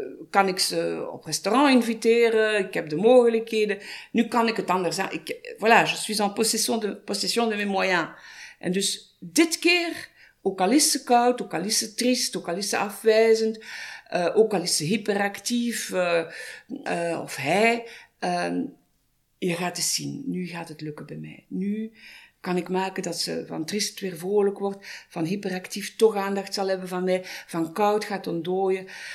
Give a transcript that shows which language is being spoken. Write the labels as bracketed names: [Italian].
[Dutch] Kan ik ze op restaurant inviteren? Ik heb de mogelijkheden. Nu kan ik het anders aan. [French] Je suis en possession de mes moyens. [Dutch] En dus dit keer, ook al is ze koud, ook al is ze triest, ook al is ze afwijzend, ook al is ze hyperactief, of hij, je gaat het zien. Nu gaat het lukken bij mij. Nu kan ik maken dat ze van triest weer vrolijk wordt, van hyperactief toch aandacht zal hebben van mij, van koud gaat ontdooien.